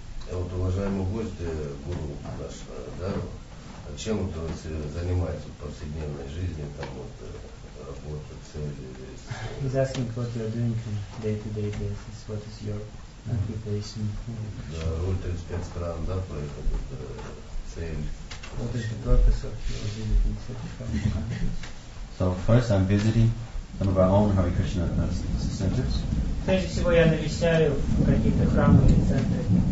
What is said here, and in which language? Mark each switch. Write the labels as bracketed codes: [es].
[ru] А вот уважаемый гость, гуру наш, да, чем вот он занимается в повседневной жизни, там вот работа, цели? [en] He's asking what you're doing on a day-to-day basis. What is your occupation? [ru] Да, роль 35 стран, да, проехать, это цель. [en] What is the purpose of your visit in 35 countries? So first I'm visiting some of our own Hare Krishna centers. [ru] Прежде всего я навещаю какие-то храмы или центры.